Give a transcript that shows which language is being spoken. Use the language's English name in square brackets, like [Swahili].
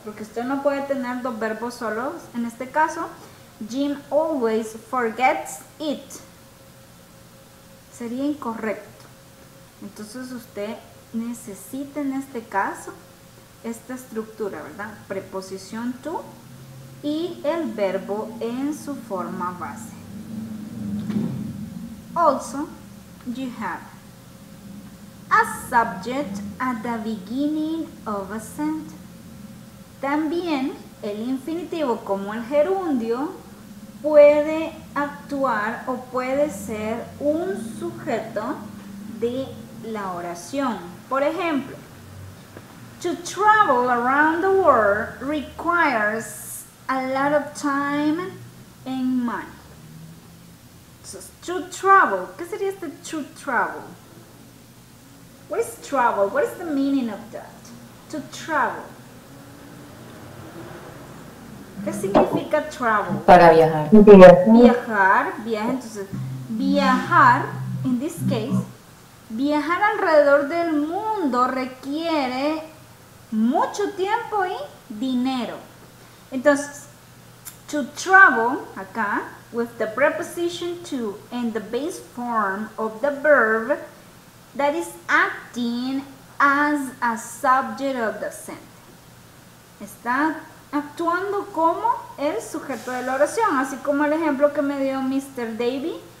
[Spanish] Porque usted no puede tener dos verbos solos. En este caso, [English] Jim always forgets it. [Spanish] Sería incorrecto. Entonces usted necesita en este caso esta estructura, ¿verdad? Preposición to y el verbo en su forma base. [English] Also, you have a subject at the beginning of a sentence. [Spanish] También el infinitivo como el gerundio puede actuar o puede ser un sujeto de la oración. Por ejemplo, [English] to travel around the world requires a lot of time and money. So, to travel, [Spanish] ¿qué sería este [English] to travel? What is travel? What is the meaning of that? To travel. [Spanish] ¿Qué significa travel? Para viajar. Viajar, viaje. Entonces, viajar, [English] in this case, [Spanish] viajar alrededor del mundo requiere mucho tiempo y dinero. Entonces, [English] to travel acá with the preposition to in the base form of the verb that is acting as a subject of the sentence. [Spanish] Está actuando como el sujeto de la oración, así como el ejemplo que me dio Mr. Davy.